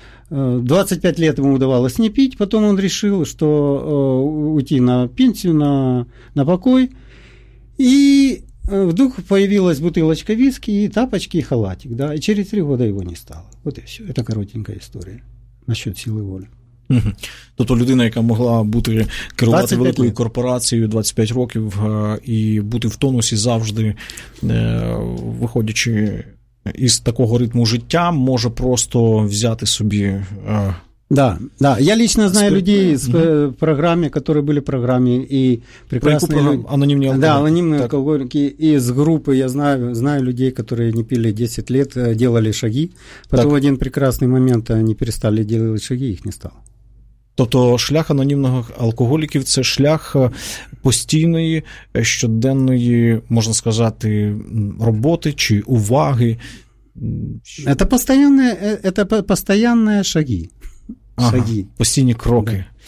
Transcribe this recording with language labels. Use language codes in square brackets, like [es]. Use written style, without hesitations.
[ru] 25 лет ему удавалось не пить, потом он решил, что уйти на пенсию, на покой, и вдруг появилась бутылочка виски, и тапочки, и халатик, да, и через 3 года его не стало. Вот и все, это коротенькая история насчет силы воли. [uk] Тобто людина, яка могла бути керувати великою корпорацією 25 років і бути в тонусі завжди, виходячи... із такого ритму життя може просто взяти собі... [ru] Да, да. Я лично знаю людей в программе, которые были в программе, и прекрасные люди. Анонимные алкоголики. Да, анонимные алкоголики. Из группы я знаю людей, которые не пили 10 лет, делали шаги. Потом так. В один прекрасный момент они перестали делать шаги, их не стало. [uk] Тобто шлях анонімних алкоголіків – це шлях постійної, щоденної, можна сказати, роботи чи уваги? Це постійні шаги. Постійні кроки. Да.